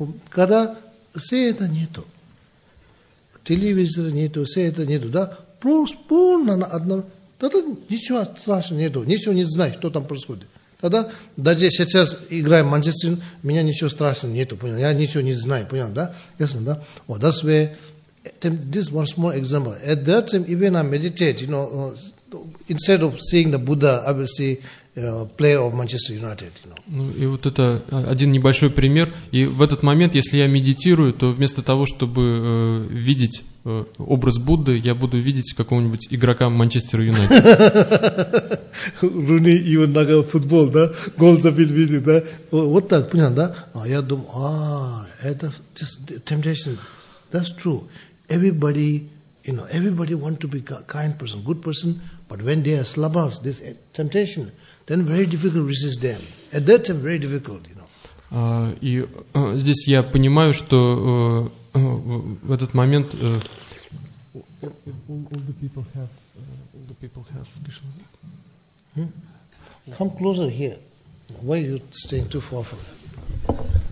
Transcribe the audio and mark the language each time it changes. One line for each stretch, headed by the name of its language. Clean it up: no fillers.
Russian: Когда все это нету, телевизора нету, все это нету, да, просто полно на одном, тогда ничего страшного нету, ничего не знаешь, что там происходит. Тогда даже сейчас играем в Манчестер, у меня ничего страшного нету, понял, я ничего не знаю, понял, да, ясно, да.
English: Вот, that's where, this one small example, at that time, even I meditate, you know, instead of seeing the Buddha, I will see, player of Manchester United, you know.
Russian: Ну и вот это один небольшой пример. И в этот момент, если я медитирую, то вместо того, чтобы видеть образ Будды, я буду видеть какого-нибудь игрока Манчестера Юнайтед. Руни и его нога в футбол, да? Гол забил, видит, да? Вот так, понял, да? А я думаю, это temptation.
English: That's true. Everybody, you know, everybody want to be kind person, good person, but when they are slabas, this temptation. Then very difficult to resist them. At that time, very difficult, you know.
Russian: И здесь я понимаю, что в этот момент.
English: All the people have, all the people have Krishna. Come closer here. Why are you staying too far from them?